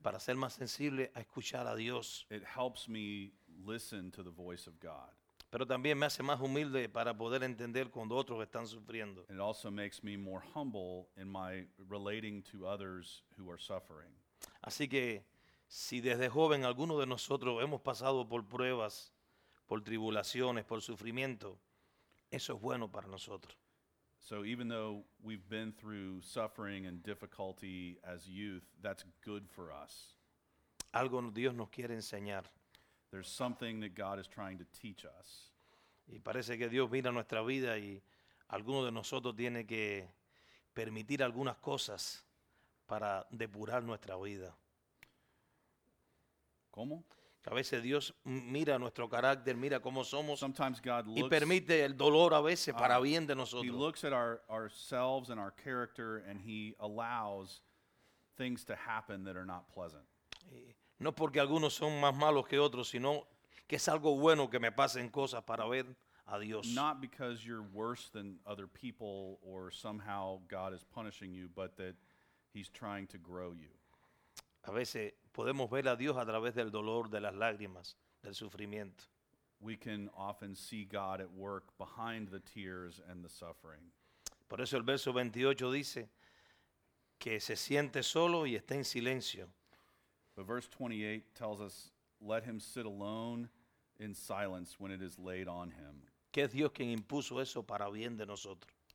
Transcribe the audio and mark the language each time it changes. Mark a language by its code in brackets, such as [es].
[es] Para ser más sensible a escuchar a Dios. [en] It helps me listen to the voice of God. [es] Pero también me hace más humilde para poder entender cuando otros están sufriendo. [en] It also makes me more humble in my relating to others who are suffering. [es] Así que, si desde joven alguno de nosotros hemos pasado por pruebas, por tribulaciones, por sufrimiento, eso es bueno para nosotros. [en] So even though we've been through suffering and difficulty as youth, that's good for us. [es] Algo Dios nos quiere enseñar. [en] There's something that God is trying to teach us. [es] Y parece que Dios mira nuestra vida y alguno de nosotros tiene que permitir algunas cosas para depurar nuestra vida. ¿Cómo? A veces Dios mira nuestro carácter, mira cómo somos. [en] Sometimes God looks, [es] y permite el dolor a veces para bien de nosotros. [en] He looks at ourselves and our character and he allows things to happen that are not pleasant. [es] No porque algunos son más malos que otros, sino que es algo bueno que me pasen cosas para ver a Dios. [en] Not because you're worse than other people or somehow God is punishing you, but that he's trying to grow you. [es] A veces podemos ver a Dios a través del dolor, de las lágrimas, del sufrimiento. [en] We can often see God at work behind the tears and the suffering. [es] Por eso el verso 28 dice que se siente solo y está en silencio. [en] But verse 28 tells us, let him sit alone in silence when it is laid on him. [es] ¿Qué es Dios quien impuso eso para bien de nosotros?